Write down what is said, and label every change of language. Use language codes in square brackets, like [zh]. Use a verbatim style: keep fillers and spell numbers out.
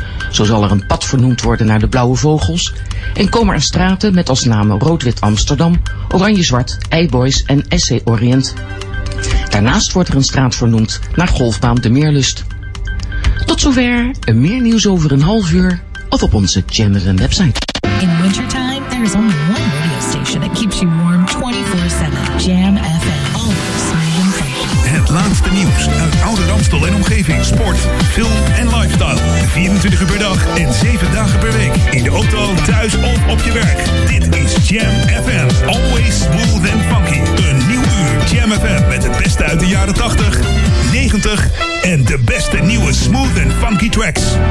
[nl] Zo zal er een pad vernoemd worden naar de Blauwe Vogels en komen er straten met als namen Rood-Wit Amsterdam, Oranje-Zwart, Eiboys en S C Orient. Daarnaast wordt er een straat vernoemd naar golfbaan De Meerlust. Tot zover, en meer nieuws over een half uur of op onze Jam F M website. [en] In wintertime, there is only one radio station that keeps you warm twenty-four seven. Jam F M. Always smooth and funky. [nl] Het laatste nieuws uit Ouder Ramstel en omgeving. Sport, film en lifestyle. vierentwintig uur per dag en zeven dagen per week. In de auto, thuis of op je werk. Dit is Jam F M. [en] Always smooth and funky. [nl] Een nieuw uur Jam F M met het beste uit de jaren tachtig, negentig en de beste nieuwe smooth and funky tracks.